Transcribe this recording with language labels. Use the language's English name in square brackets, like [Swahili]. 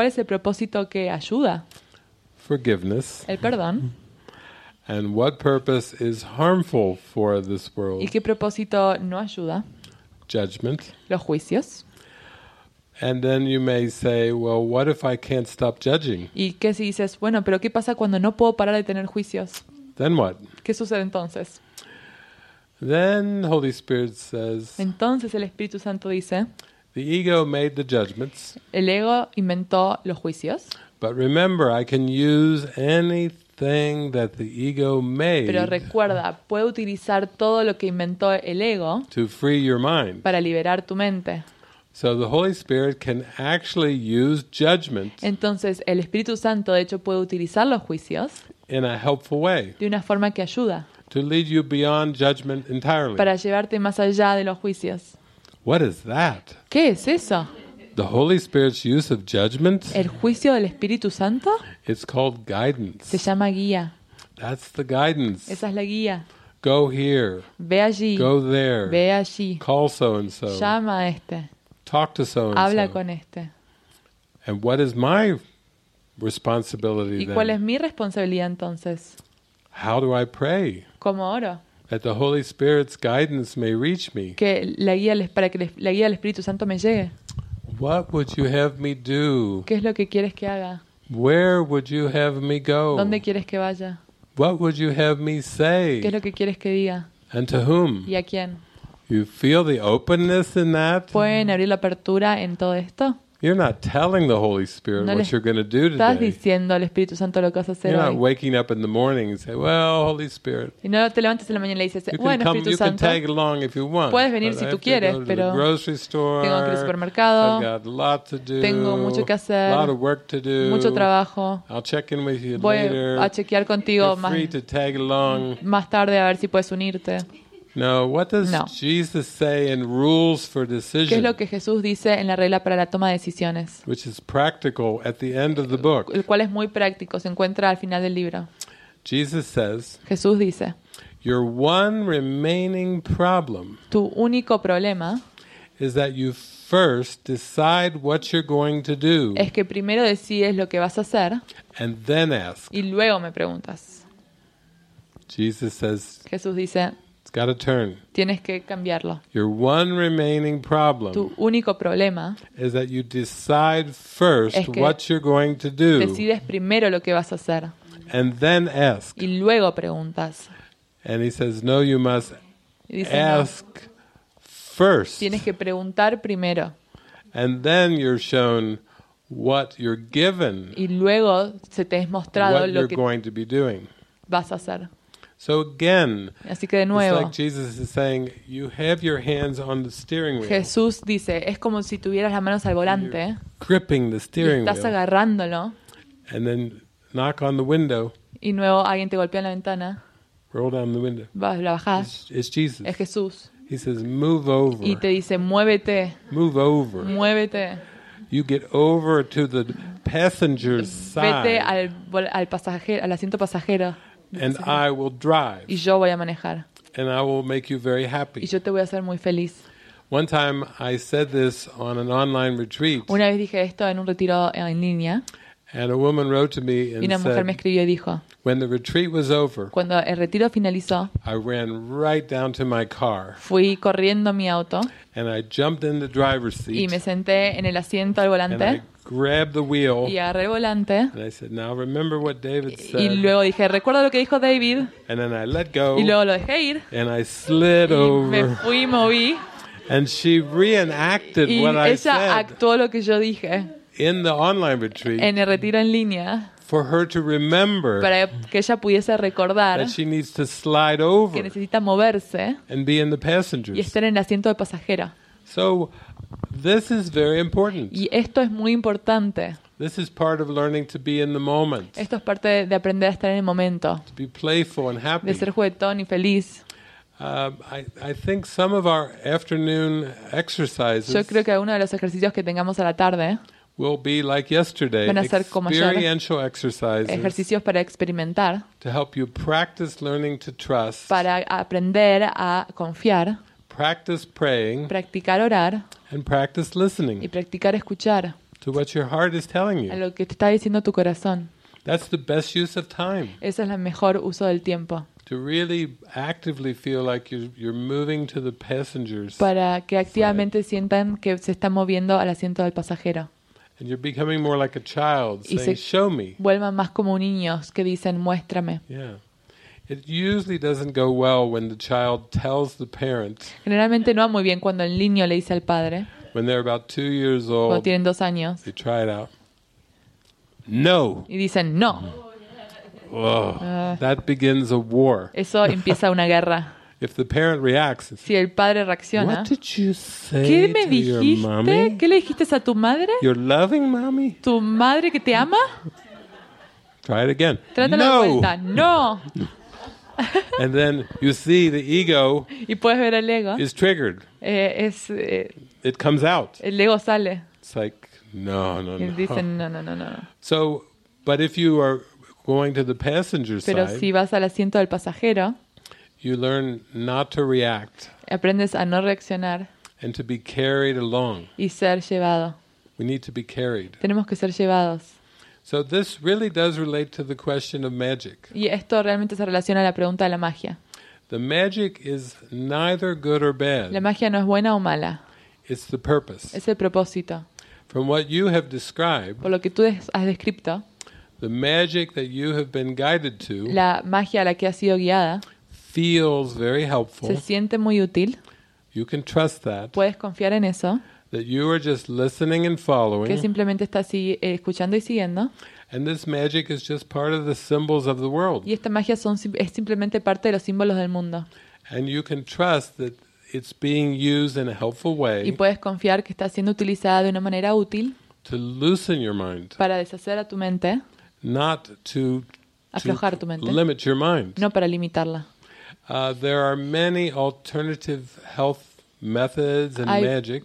[Spanish] ¿Cuál es el propósito que ayuda? [English] Forgiveness. [Spanish] El perdón. [English] And what purpose is harmful for this world? [Spanish] ¿Y qué propósito no ayuda? [English] Judgment. [Spanish] Los juicios. [English] And then you may say, well, what if I can't stop judging? [Spanish] ¿Y qué si dices, bueno, pero qué pasa cuando no puedo parar de tener juicios? [English] Then what? [Spanish] ¿Qué sucede entonces? [English] Then Holy Spirit says. [Spanish] Entonces el Espíritu Santo dice. [English] The ego made the judgments. [Spanish] El ego inventó los juicios. [English] But remember, I can use anything that the ego made. [Spanish] Pero recuerda, puedo utilizar todo lo que inventó el ego [English] to free your mind. [Spanish] Para liberar tu mente. [English] So the Holy Spirit can actually use judgment. [Spanish] Entonces el Espíritu Santo de hecho puede utilizar los juicios [English] in a helpful way. [Spanish] De una forma que ayuda. [English] To lead you beyond judgment entirely. [Spanish] Para llevarte más allá de los juicios. [English] What is that? [Spanish] ¿Qué es eso? [English] The Holy Spirit's use of judgment? [Spanish] ¿El juicio del Espíritu Santo? [English] It's called guidance. [Spanish] Se llama guía. [English] That's the guidance. [Spanish] Esa es la guía. [English] Go here. [Spanish] Ve allí. [English] Go there. [Spanish] Ve allí. [English] Call so and so. [Spanish] Llama a este. [English] Talk to so and so. [Spanish] Habla con este. [English] And what is my responsibility then? [Spanish] ¿Y cuál es mi responsabilidad entonces? [English] How do I pray? [Spanish] ¿Cómo oro? [English] That the Holy Spirit's guidance may reach me. [Spanish] Que la guía para que la guía del Espíritu Santo me llegue. [English] What would you have me do? [Spanish] ¿Qué es lo que quieres que haga? [English] Where would you have me go? [Spanish] ¿Dónde quieres que vaya? [English] What would you have me say? [Spanish] ¿Qué es lo que quieres que diga? [English] And to whom? [Spanish] ¿Y a quién? [English] You feel the openness in that? [Spanish] ¿Pueden abrir la apertura en todo esto? [English] You're not telling the Holy Spirit what you're going to do today. [Spanish] Estás diciendo al Espíritu Santo lo que vas a hacer. [English] You're not waking up in the morning and say, "Well, Holy Spirit." [Spanish] Y no te levantas en la mañana y dices, "Bueno, Espíritu Santo." [English] You can tag along if you want. [Spanish] Puedes venir si tú quieres, pero tengo que ir al supermercado. [English] I've got a lot to do. [Spanish] Tengo mucho que hacer. [English] A lot of work to do. [Spanish] Mucho trabajo. [English] I'll check in with you later. [Spanish] Voy a chequear contigo más tarde a ver si puedes unirte. [English] No, what does [Spanish] no. [English] Jesus say in rules for decision? [Spanish] ¿Qué es lo que Jesús dice en la regla para la toma de decisiones? [English] Which is practical at the end of the book. [Spanish] El cual es muy práctico, se encuentra al final del libro. [English] Jesus says. [Spanish] Jesús dice. [English] Your one remaining problem. [Spanish] Tu único problema [English] is that you first decide what you're going to do. [Spanish] Es que primero decides lo que vas a hacer. [English] And then ask. [Spanish] Y luego me preguntas. [English] Jesus says. [Spanish] Jesús dice. [English] It's got to turn. [Spanish] Tienes que cambiarlo. [English] Your one remaining problem. [Spanish] Tu único problema [English] is that you decide first what you're going to do. [Spanish] Decides primero lo que vas a hacer. [English] And then ask. [Spanish] Y luego preguntas. [English] And he says, "No, you must ask first." [Spanish] Tienes que preguntar primero. [English] And then you're shown what you're given. [Spanish] Y luego se te es mostrado lo que [English] going to be doing. [Spanish] Vas a hacer. [English] So again, [Spanish] así que de nuevo, [English] it's like Jesus is saying, you have your hands on the steering wheel. [Spanish] Jesús dice, es como si tuvieras las manos al volante. [English] Gripping the steering wheel. [Spanish] Estás agarrándolo. [English] And then knock on the window. [Spanish] Y luego alguien te golpea en la ventana. [English] Roll down the window. [Spanish] La bajás. [English] It's Jesus. [Spanish] Es Jesús. [English] He says, move over. [Spanish] Y te dice, muévete. [English] Move over. [Spanish] Muévete. [English] You get over to the passenger's side. [Spanish] Vete al pasajero, al asiento pasajero. [English] And I will drive. [Spanish] Y yo voy a manejar. [English] And I will make you very happy. [Spanish] Y yo te voy a hacer muy feliz. [English] One time I said this on an online retreat. [Spanish] Una vez dije esto en un retiro en línea. [English] And a woman wrote to me and said. [Spanish] Y una mujer me escribió y dijo. [English] When the retreat was over. [Spanish] Cuando el retiro finalizó. [English] I ran right down to my car. [Spanish] Fui corriendo a mi auto. [English] And I jumped in the driver's seat. [Spanish] Y me senté en el asiento del volante. [English] Grab the wheel. [Spanish] Y agarré el volante. [English] And I said, "Now remember what David said." [Spanish] Y luego dije, "Recuerda lo que dijo David." [English] And then I let go. [Spanish] Y luego lo dejé ir. [English] And I slid over. [Spanish] Y me fui, moví. [English] And she reenacted what I said. [Spanish] Y ella actuó lo que yo dije. [English] In the online retreat. [Spanish] En el retiro en línea. [English] For her to remember. [Spanish] Para que ella pudiese recordar. [English] That she needs to slide over. [Spanish] Que necesita moverse. [English] And be in the passenger. [Spanish] Y estar en el asiento de pasajera. [English] So this is very important. [Spanish] Y esto es muy importante. [English] This is part of learning to be in the moment. [Spanish] Esto es parte de aprender a estar en el momento. [English] To be playful and happy. [Spanish] De ser juguetón y feliz. [English] I think some of our afternoon exercises. [Spanish] Yo creo que algunos de los ejercicios que tengamos a la tarde. [English] Will be like yesterday. [Spanish] Van a ser como ayer. [English] Experiential exercises. [Spanish] Ejercicios para experimentar. [English] To help you practice learning to trust. [Spanish] Para aprender a confiar. [English] Practice praying. [Spanish] Practicar orar. [English] And practice listening. [Spanish] Y practicar escuchar. [English] To what your heart is telling you. [Spanish] A lo que te está diciendo tu corazón. [English] That's the best use of time. [Spanish] Ese es el mejor uso del tiempo. [English] To really actively feel like you're moving to the passenger's. [Spanish] Para que activamente sientan que se están moviendo al asiento del pasajero. [English] And you're becoming more like a child saying, "Show me." [Spanish] Vuelvan más como niños que dicen, "Muéstrame." [English] Yeah. It usually doesn't go well when the child tells the parent. [Spanish] Generalmente no va muy bien cuando el niño le dice al padre. [English] When they're about 2 years old. [Spanish] Cuando tienen 2 años. [English] They try it out. no. [Spanish] Y dicen no. [English] Oh, that begins a war. [Spanish] Eso empieza una guerra. [English] If the parent reacts, [Spanish] si el padre reacciona, [English] what did you say [Spanish] ¿qué me to dijiste? [English] Your mommy? [Spanish] ¿Qué le dijiste a tu madre? [English] Your loving mommy? [Spanish] ¿Tu madre que te ama? [English] Try it again. [Spanish] Trátalo no. De vuelta. No. [English] And then you see the ego, [Spanish] y puedes ver el ego. [English] Is triggered. It comes out. [Spanish] El ego sale. [English] It's like, no, no, no. [Spanish] Y dicen, no, no, no, no. [English] So, but if you are going to the passenger [Spanish] pero [English] side, [Spanish] si vas al asiento del pasajero, [English] you learn not to react. [Spanish] Aprendes a no reaccionar. [English] And to be carried along. [Spanish] Y ser llevado. [English] We need to be carried. [Spanish] Tenemos que ser llevados. [English] So this really does relate to the question of magic. [Spanish] Y esto realmente se relaciona a la pregunta de la magia. [English] The magic is neither good or bad. [Spanish] La magia no es buena o mala. [English] It's the purpose. [Spanish] Es el propósito. [English] From what you have described, [Spanish] por lo que tú has descrito, [English] the magic that you have been guided to, [Spanish] la magia a la que has sido guiada, [English] feels very helpful. [Spanish] Se siente muy útil. [English] You can trust that. [Spanish] Puedes confiar en eso. [English] That you are just listening and following. [Spanish] Que simplemente estás escuchando y siguiendo. [English] And this magic is just part of the symbols of the world. [Spanish] Y esta magia es simplemente parte de los símbolos del mundo. [English] And you can trust that it's being used in a helpful way. [Spanish] Y puedes confiar que está siendo utilizada de una manera útil. [English] To loosen your mind. [Spanish] Para deshacer a tu mente. [English] Not to [Spanish] aflojar tu mente. [English] Limit your mind. [Spanish] No para limitarla. [English] There are many alternative health methods and [Spanish] hay [English] magic.